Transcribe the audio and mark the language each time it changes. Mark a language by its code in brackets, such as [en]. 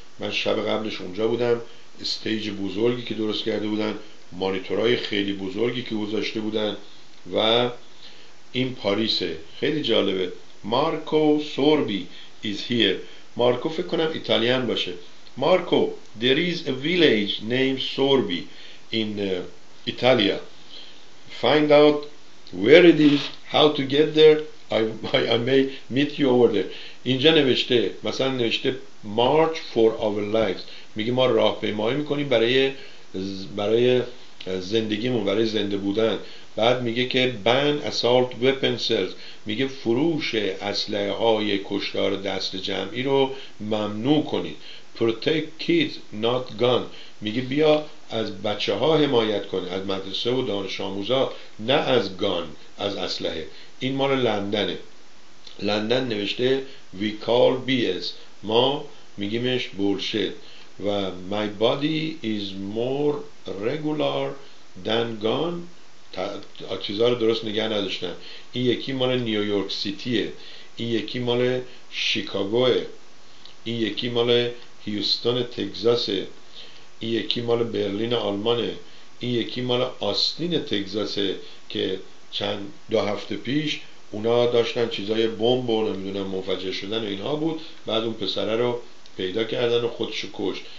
[fa] من شب قبلش اونجا بودم، استیج بزرگی که درست کرده بودن، مانیتورهای خیلی بزرگی که گذاشته بودن و این پاریسه. خیلی جالبه، مارکو سوربی [en] is here. [fa] مارکو فکر کنم ایتالیان باشه. [en] Marco, there is a village named Sorby in Italy. Find out where it is, how to get there. I may meet you over there. [fa] اینجا نوشته، مثلا نوشته [en] March for our lives. [fa] میگه ما راهپیمایی میکنیم برای زندگیمون، برای زنده بودن. بعد میگه که [en] ban assault weapons، [fa] میگه فروش اسلحه های کشتار دست جمعی رو ممنوع کنید. [en] protect kids not gun، [fa] میگه بیا از بچه ها حمایت کنه، از مدرسه و دانش آموزا، نه از گان، از اسلحه. این مال لندنه. لندن نوشته [en] we call BS، [fa] ما میگیمش bullshit. [en] و my body is more regular than gun. [fa] چیزها رو درست نگه نداشتن. این یکی مال نیویورک سیتیه، این یکی مال شیکاگوه، این یکی مال هیوستون تگزاسه، این یکی مال برلین آلمانه، این یکی مال آستین تگزاسه که چند دو هفته پیش اونا داشتن چیزای بمب و نمیدونم منفجر شدن و اینها بود، بعد اون پسره رو پیدا کردن و خودشو کشت.